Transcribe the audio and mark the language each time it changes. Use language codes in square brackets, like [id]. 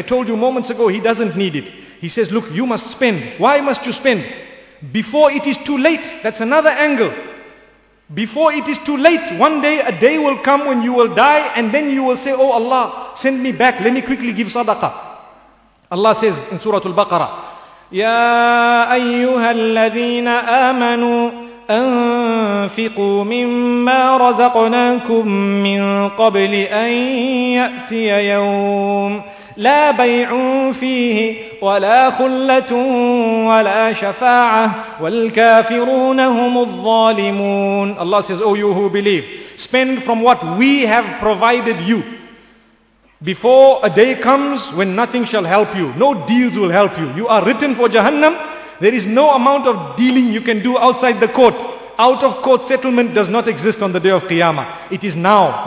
[en] I told you moments ago, He doesn't need it. He says, look, you must spend. Why must you spend? Before it is too late. That's another angle. Before it is too late, one day, a day will come when you will die, and then you will say, oh Allah, send me back. Let me quickly give sadaqah. Allah says in Surah Al-Baqarah, [ar] يَا أَيُّهَا الَّذِينَ آمَنُوا أنفقوا مما رزقناكم من قبل أن يأتي يوم لا بيع فيه ولا خلة ولا شفاعة والكافرون هم الظالمون. [en] Allah says, oh you who believe, spend from what we have provided you before a day comes when nothing shall help you. No deals will help you. You are written for Jahannam. There is no amount of dealing you can do outside the court. Out of court settlement does not exist on the day of Qiyamah. It is now.